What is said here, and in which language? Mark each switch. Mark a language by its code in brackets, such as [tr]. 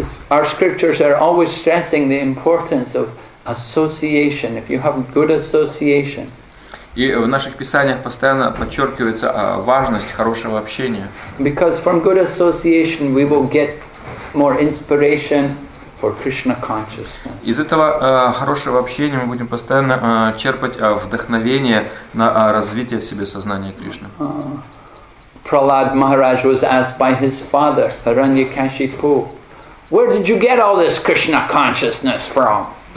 [en] Our scriptures are always stressing the importance of association. If you have good association, [ru] и в наших писаниях постоянно подчеркивается важность хорошего общения. [en] Because from good association we will get more inspiration for Krishna consciousness. [ru] Из этого хорошего общения мы будем постоянно черпать вдохновение на развитие в себе сознания Кришны. [en] Prahlad Maharaj was asked by his father, Hiranyakashipu, where did you get all this Krishna consciousness from?